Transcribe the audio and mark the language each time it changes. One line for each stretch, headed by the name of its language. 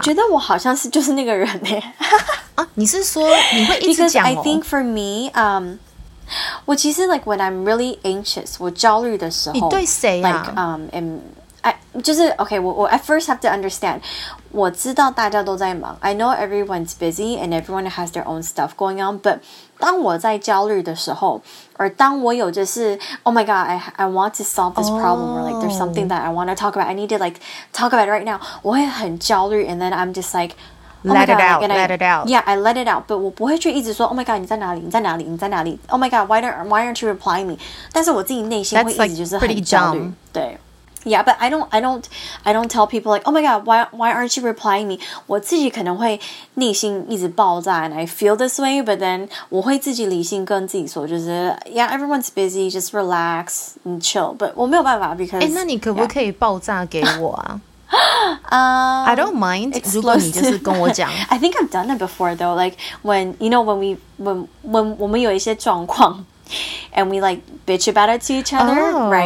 Chinese: 我觉得我好像是就是那个人、欸啊、你是说你会一直讲哦
English: Because I think for me、
Chinese: 我其实
English: like when I'm really anxious
Chinese: 我焦虑的时候你对谁啊
English: like, I,
Chinese: 就是
English: okay 我 at first have to understand
Chinese: 我知道大家都在忙
English: I know everyone's busy and everyone has their own stuff going on but
Chinese: 当我在焦虑的时候
English: or
Chinese: 当我有就是
English: oh my god I want to solve this problem、oh. or like there's something that I want to talk about I need to like talk about it right now
Chinese: 我会很焦虑
English: and then I'm just like、oh、 let god, it out like, let I, it out yeah I let it out but
Chinese: 我不会去一直说
English: oh my god
Chinese: 你在哪里你在哪里你在哪里
English: oh my god why aren't you replying me
Chinese: 但是我自己内心会一直就是很焦虑、
English: like、对Yeah, but I don't tell people like, oh my god, why aren't you replying me?
Chinese: 我自己可能会内心一直爆炸
English: and I feel this way, but then
Chinese: 我会自己理性跟自己说就是
English: yeah, everyone's busy, just relax and chill. But
Chinese: 我没有办法
English: because...
Chinese: 诶那你可不可以爆炸给我啊
English: I don't mind. I think I've done it before though. Like when, you know, when we have some problems and we like bitch about it to each other, right?